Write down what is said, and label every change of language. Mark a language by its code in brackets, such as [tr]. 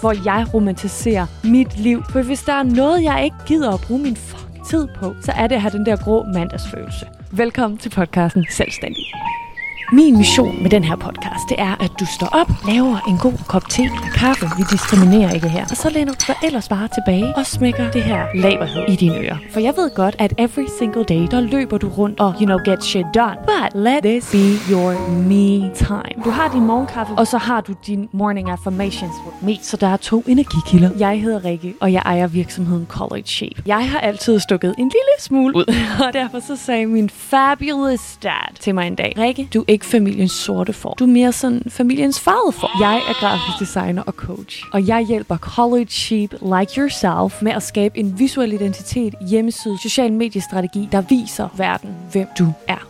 [da] Hvor jeg romantiserer mit liv. For hvis der er noget, jeg ikke gider at bruge min fucking tid på, så er det at have den der grå mandagsfølelse. Velkommen til podcasten Selvstændig. Min mission med den her podcast, det er, at du står op, laver en god kop te eller kaffe, vi diskriminerer ikke her, og så læner du dig ellers bare tilbage og smækker det her laberhed i dine ører. For jeg ved godt, at [en] every single day, [da] der løber du rundt og, [en] you know, get shit done. But let this be your me time. [da] Du har din morgenkaffe, og så har du din [en] morning affirmations with me. [da] Så der er to energikilder. Jeg hedder Rikke, og jeg ejer virksomheden College Shape. Jeg har altid stukket en lille smule ud, og derfor så sagde min [en] fabulous dad [da] til mig en dag, Rikke, du ikke familiens sorte for. Du er mere sådan familiens farvede for. Jeg er grafisk designer og coach, og jeg hjælper college sheep [en] like yourself [da] med at skabe en visuel identitet, hjemmeside, social mediestrategi, der viser verden, hvem du er.